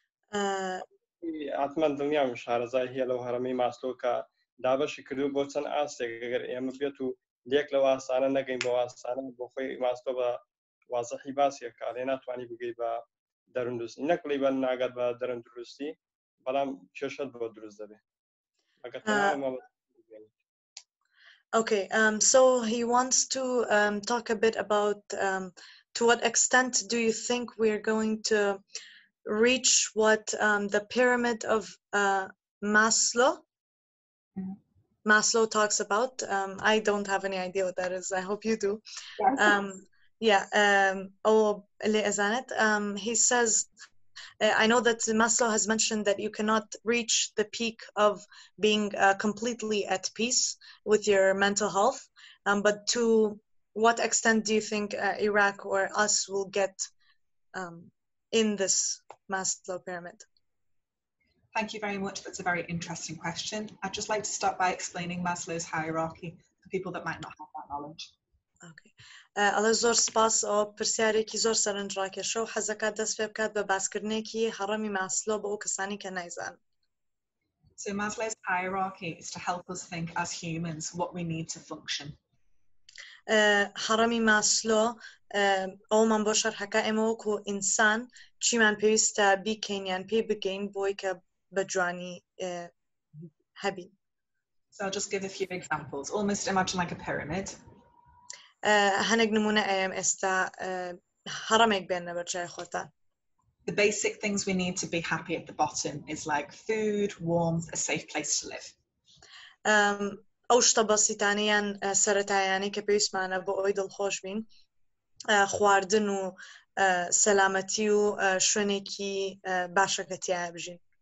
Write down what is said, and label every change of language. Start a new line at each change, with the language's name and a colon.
English: عطمان دنیا مشهر زایی لو حرمی ماستو که دابش کردو بوچن آسته اگر ایم بیا تو دیک لو آسانه نگیم با آسانه با خوی ماستو با واضحی باسی که علینا توانی بگی با درون درستی اینه کلی با ناگد با درون درستی بلا چشت با درست دبی اگر تمام Okay, so he wants to talk a bit about to what extent do you think we are going to reach what the pyramid of Maslow talks about. I don't have any idea what that is. I hope you do. He says, I know that Maslow has mentioned that you cannot reach the peak of being completely at peace with your mental health. But to what extent do you think Iraq or us will get in this Maslow pyramid? Thank you very much. That's a very interesting question. I'd just like to start by explaining Maslow's hierarchy for people that might not have that knowledge. Okay.
Central Kurdish: زۆر سپاس و پرسیارێکی زۆر سەرنجڕاکێشە و حەزەکەت دەست پێ بکات بە باسکردنێکی هەڕەمی ماسلۆ بۆ ئەو کەسانی کە نایزانن.
English: So Maslow's hierarchy is to help us think as humans what we need to function.
Central Kurdish: هەڕەمی ماسلۆ ئەومان بۆ شەرحەکە ئێمەوە کە ئینسان چیمان پێویستە بیکەین یان پێی بگەین بۆی کە بە جوانی هەبین.
English: So I'll just give a few examples. Almost imagine like a pyramid.
Central Kurdish: هەنێك نمونە ئەم ئێستا هەڕەمێک بێننە بەر چاوی خۆتان.
English: The basic things we need to be happy at the bottom is like food, warmth, a safe place to live.
Central Kurdish: ئەو شتە بەسیتانە یان سەرەتایانەی کە پێویستمانە بۆ ئەوەی دڵخۆش بین خواردن و سەلامەتی و شوێنێکی باشە کە تیایە بژین.